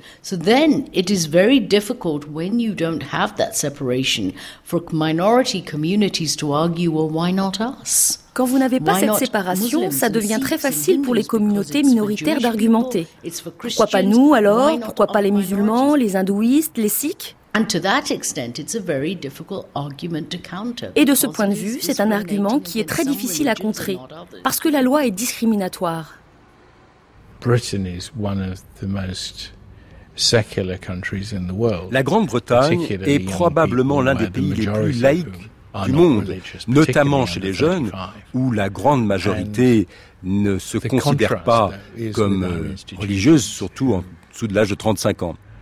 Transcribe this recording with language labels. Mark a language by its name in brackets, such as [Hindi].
[English] So then it is very difficult when you don't have that separation for minority communities to argue, well, why not us? [French] Quand vous n'avez pas cette séparation, ça devient très facile pour les communautés minoritaires d'argumenter. Pourquoi pas nous alors? Pourquoi pas les musulmans, les hindouistes, les sikhs? [English] And to that extent, it's a very difficult argument to counter. [French] Et de ce point de vue, c'est un argument qui est très difficile à contrer parce que la loi est discriminatoire. La Grande-Bretagne est probablement l'un des pays les plus laïcs du monde, notamment chez les jeunes, où la grande majorité ne se considère pas comme religieuse, surtout en dessous de l'âge de 35 ans.